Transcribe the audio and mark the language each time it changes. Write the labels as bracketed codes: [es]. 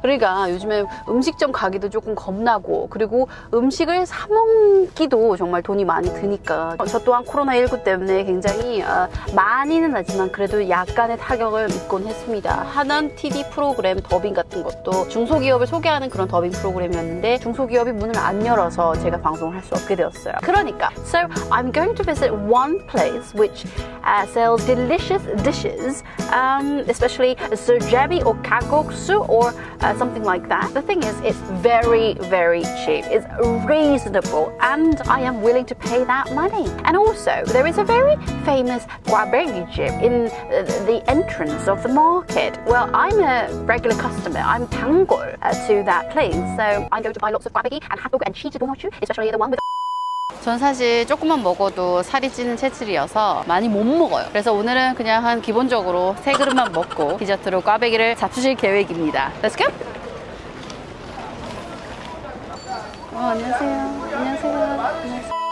[ko] 그러니까 요즘에 음식점 가기도 조금 겁나고, 그리고 음식을 사 먹기도 정말 돈이 많이 드니까, 저 또한 코로나19 때문에 굉장히 많이는 하지만 그래도 약간의 타격을 입곤 했습니다. 하는 TV 프로그램 더빙 같은 것도 중소기업을 소개하는 그런 더빙 프로그램이었는데 중소기업이 문을 안 열어서 제가 방송을 할 수 없게 되었어요. 그러니까 [en] So I'm going to visit one place which sells delicious dishes, especially sojebi or kakoksu or something like that. The thing is, it's very, very cheap. It's reasonable and I am willing to pay that money. And also, there is a very famous gwabaengi chip in the entrance of the market. Well, I'm a regular customer. I'm tanggol to that place. So I'm going to buy lots of gwabaengi and hatbok and chijigongochu, especially the one with... [ko] 전 사실 조금만 먹어도 살이 찌는 체질이어서 많이 못 먹어요. 그래서 오늘은 그냥 한 기본적으로 세 그릇만 먹고 디저트로 꽈배기를 잡수실 계획입니다. [en] Let's go! [ko] 안녕하세요. 안녕하세요.